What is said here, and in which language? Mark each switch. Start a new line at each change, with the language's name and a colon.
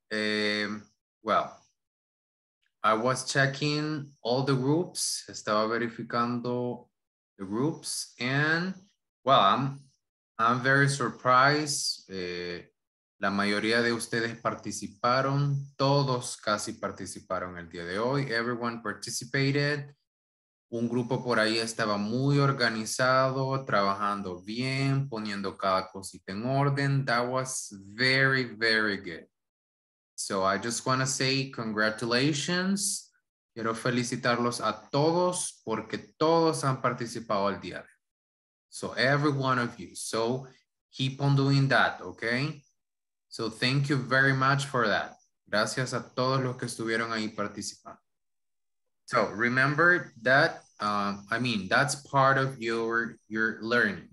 English: Well, I was checking all the groups,
Spanish: estaba verificando
English: the groups, and well, I'm very surprised.
Spanish: La mayoría de ustedes participaron, todos casi participaron el día de hoy.
English: Everyone participated.
Spanish: Un grupo por ahí estaba muy organizado, trabajando bien, poniendo cada cosita en orden.
English: That was very, very good. So I just want to say congratulations.
Spanish: Quiero felicitarlos a todos porque todos han participado el día.
English: So every one of you. So keep on doing that, okay? So thank you very much for that.
Spanish: Gracias a todos los que estuvieron ahí participando.
English: So remember that, that's part of your learning.